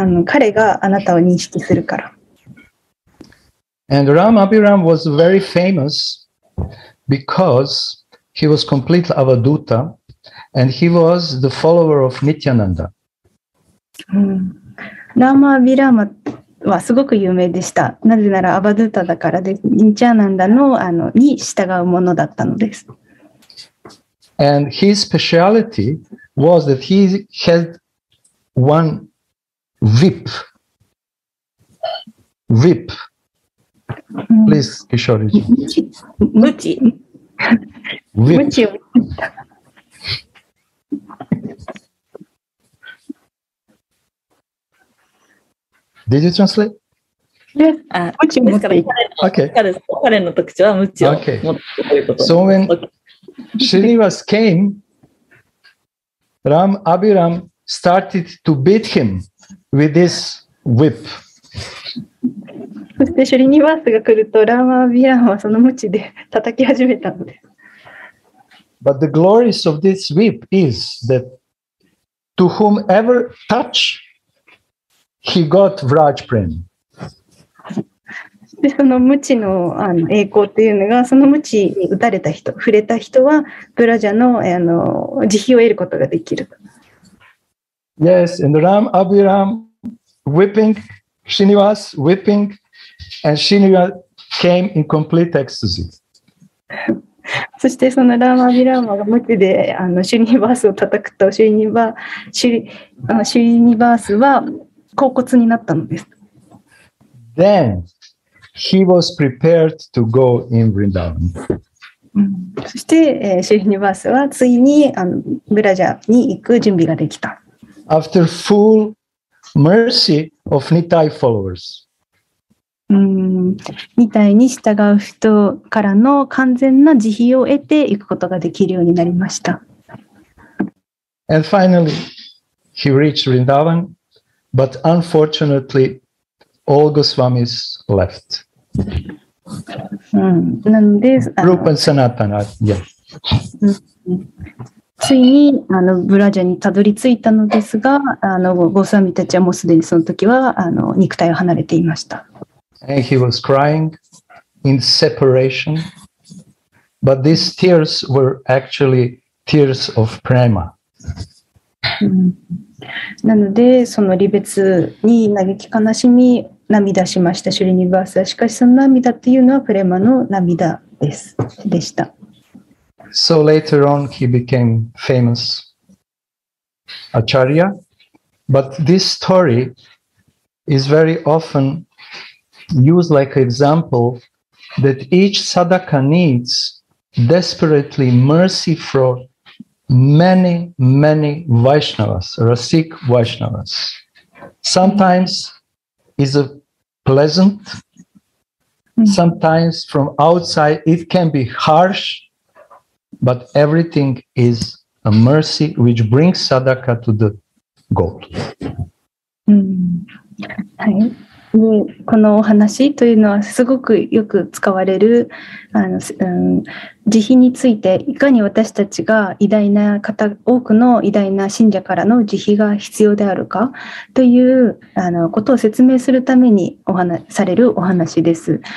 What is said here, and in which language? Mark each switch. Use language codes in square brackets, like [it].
[ja] 彼があなたを認識するから。 [en] And Ram Abhiram was very famous. Because he was complete avaduta and he was the follower of Nityananda. [ja] Rama Abhirama はすごく有名でした。なぜならアバドゥタだからで、Nityananda の、に従うものだったのです。 [en] And his speciality was that he had one whip. Whip. Please, Kishori. [ja] Muchi. [en] Did you translate? Yes. Ah, okay. Okay. So when Srinivas came, Ram Abhiram started to beat him with this whip. [ja] そしてシュリニバースが来るとラーマ・ビアンはその鞭で叩き始めたのです。 [en] But the glories of this whip is that to whomever touch, he got Vraj Prem. [ja] その鞭 の, あの栄光というのが、その鞭に打たれた人、触れた人はブラジャ の, あの慈悲を得ることができる。 [en] Yes, and Ram Abhiram whipping, Srinivas whipping,And Srinivas came in complete ecstasy. [ja] そしてそのラーマ・ビラーマが鞭でシュリニバースを叩くと、シュリニバースは恍惚になったのです。 [en] Then he was prepared to go in Vrindavan. [ja] そしてシュリニバースはついにブラジャに行く準備ができた。 [en] After full mercy of Nittai followers. [ja] みたいに従う人からの完全な慈悲を得ていくことができるようになりました。 [en] And finally he reached Vrindavan, but unfortunately all Goswamis left. [ja] なので [en] Rupa and Sanatana, yes. [ja] ついにブラジャにたどり着いたのですが、ゴスワミたちはもうすでにその時は肉体を離れていました。 [en] And he was crying in separation, but these tears were actually tears of prema. [ja] なのでその離別に嘆き悲しみ涙しましたシュリニバースは、しかしその涙というのはプレマの涙ですでした。 [en] So later on he became famous Acharya, but this story is very often. Use like example that each sadaka needs desperately mercy from many, many Vaishnavas, Rasik Vaishnavas. Sometimes is a pleasant, sometimes from outside it can be harsh, but everything is a mercy which brings sadaka to the goal. [ja] はい、でこのお話というのはすごくよく使われる慈悲について、いかに私たちが偉大な方、多くの偉大な信者からの慈悲が必要であるかということを説明するためにお話されるお話です。